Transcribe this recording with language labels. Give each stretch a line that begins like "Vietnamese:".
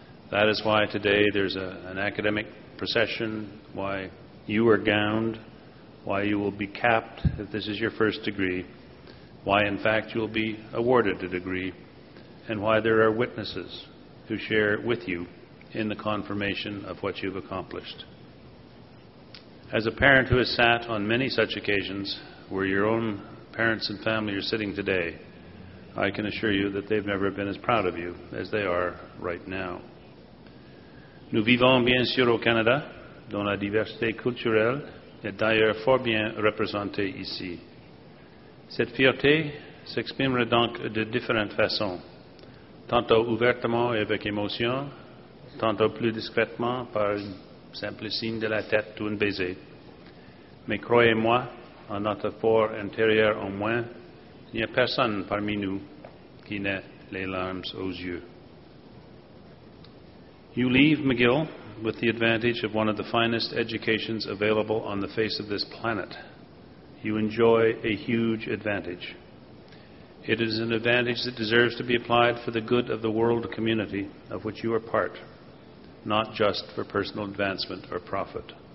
English: That is why today there's an academic procession, why you are gowned, why you will be capped if this is your first degree, why, in fact, you will be awarded a degree, and why there are witnesses who share with you in the confirmation of what you've accomplished. As a parent who has sat on many such occasions where your own parents and family are sitting today, I can assure you that they've never been as proud of you as they are right now.
French: Nous vivons bien sûr au Canada, dont la diversité culturelle est d'ailleurs fort bien représentée ici. Cette fierté s'exprimera donc de différentes façons, tantôt ouvertement et avec émotion, tantôt plus discrètement par un simple signe de la tête ou un baiser. Mais croyez-moi, en notre fort intérieur au moins, il n'y a personne parmi nous qui n'ait les larmes aux yeux.
English: You leave McGill with the advantage of one of the finest educations available on the face of this planet. You enjoy a huge advantage. It is an advantage that deserves to be applied for the good of the world community of which you are part, not just for personal advancement or profit.